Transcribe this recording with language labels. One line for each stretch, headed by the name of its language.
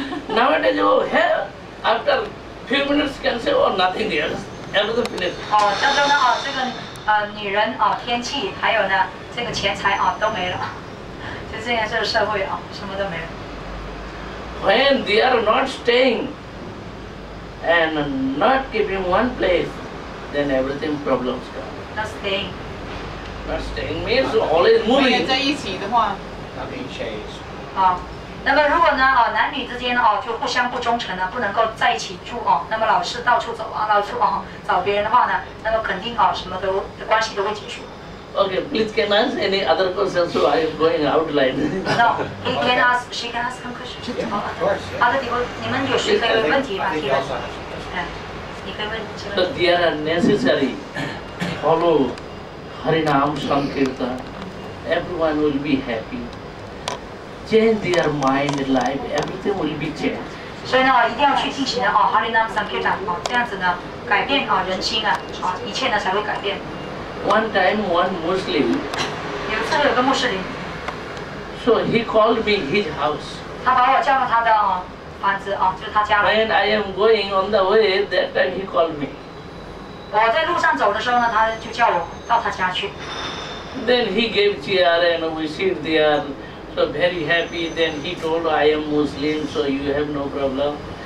English: Nowadays, after few minutes can say nothing else. Everything finished.
Chinese: 当中呢这个女人天气还有呢这个钱财都没了。就这样，这个社会什么都没有。
English: When they are not staying, and not keep in one place, then everything problems come. Not staying. Not staying means always moving.
Chinese: 没有在一起的话,
English: not being chased.
Chinese: 那么如果呢啊男女之间啊就互相不忠诚呢，不能够在一起住啊，那么老是到处走啊，到处啊找别人的话呢，那么肯定啊什么都关系都会结束。
English: Okay, please can ask any other questions? So I am going outline. No, he can ask. She can ask some questions. Yeah, of course. Yeah. Other people,
Chinese: 你们有谁可以问题吗？提问。你可以问。
English: So there are necessary follow Harinam Sankirtan. Everyone will be happy. Change their mind, life, everything will be changed.
Chinese: 所以呢，一定要去进行的哦，哈利纳姆桑克长哦，这样子呢，改变啊人心啊，啊一切呢才会改变。
English: One time, one Muslim.
Chinese: 有次有个穆斯林。
English: So he called me his house.
Chinese: 他把我叫到他的啊房子啊，就是他家。
English: When I am going on the way, that time he called me.
Chinese: 我在路上走的时候呢，他就叫我到他家去。
English: Then he gave chair and we sit there. So very happy, then he told, I am Muslim, so you have no problem.